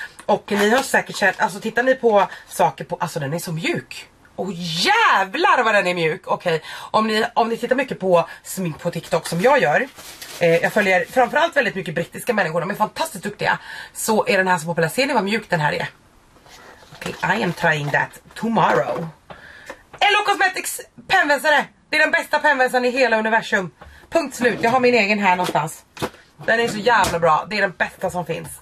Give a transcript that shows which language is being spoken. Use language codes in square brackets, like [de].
[sv] Och ni har säkert känt, alltså tittar ni på saker på, alltså den är så mjuk. Och jävlar vad den är mjuk. Okej, om ni tittar mycket på smink på TikTok som jag gör. Jag följer framförallt väldigt mycket brittiska människor, de är fantastiskt duktiga. Så är den här så populär, ser ni vad mjuk den här är? [en] Okej, I am trying that tomorrow. [sv] LO Cosmetics pennvässare. Det är den bästa pennvässaren i hela universum. Punkt slut. Jag har min egen här någonstans. Den är så jävla bra. Det är den bästa som finns.